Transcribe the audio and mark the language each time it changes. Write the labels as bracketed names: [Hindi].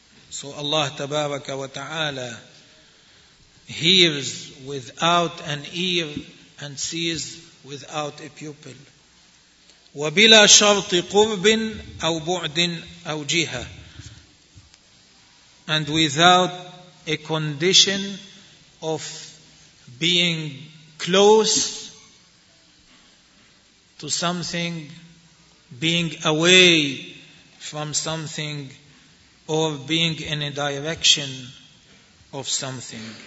[English] So Allah [Arabic] تبارك وتعالى [English] hears without an ear and sees without a pupil. [Arabic] وبلا شرط قرب أو بعد أو جهة. [English] And without a condition of being close to something, being away from something, or being in a direction of something.